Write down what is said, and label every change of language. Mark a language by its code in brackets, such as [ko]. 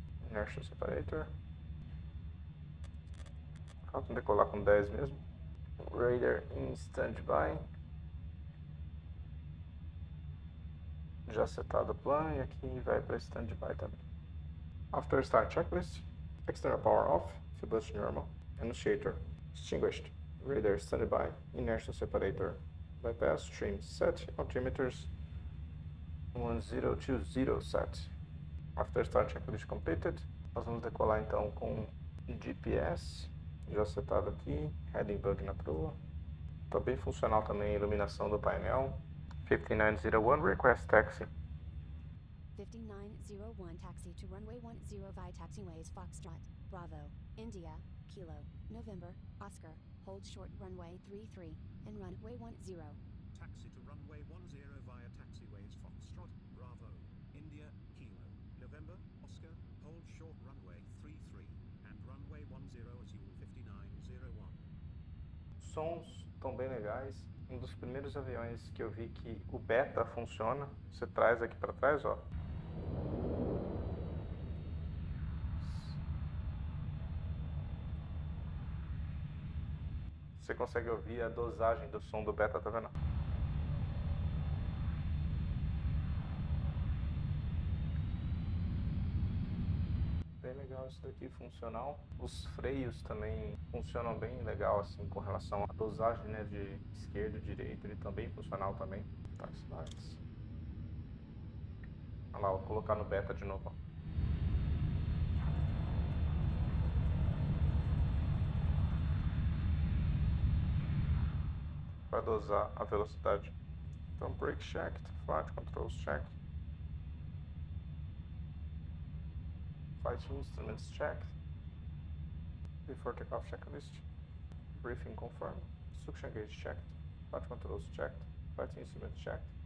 [en] Inertial separator. [pt] Falta decolar com 10 mesmo. Radar em standby. Já setado o plano e aqui vai para standby também. [en] After start checklist. External power off. Fuel bus normal. Annunciator extinguished. Radar standby. Inertial separator bypass. Trim set. Altimeters 1020 set. After start checklist completed. [pt] Nós vamos decolar então com GPS. Já setado aqui. Heading bug na proa. Tá bem funcional também a iluminação do painel. [en] 5901 request taxi. 5901 taxi to runway 10 via taxiways Foxtrot, Bravo, India, Kilo, November, Oscar. Hold short runway 33 and runway 10. Taxi to runway 10 via taxiways Foxtrot, Bravo, India, Kilo, November, Oscar. Hold short runway 33 and runway 10 as usual 5901. [pt] Sons estão bem legais. Um dos primeiros aviões que eu vi que o beta funciona. Você traz aqui para trás, ó. Você consegue ouvir a dosagem do som do beta, tá vendo? Bem legal isso daqui, funcional. Os freios também funcionam bem legal assim com relação à dosagem, né, de esquerda e direita. Ele também funcional também. Tax lights. Olha lá, vou colocar no beta de novo. Para dosar a velocidade. [en] Então, brake checked, flight controls checked. Flight instruments checked. Before takeoff checklist. Briefing confirmed. Suction gauge checked. Flight controls checked. Flight instruments checked.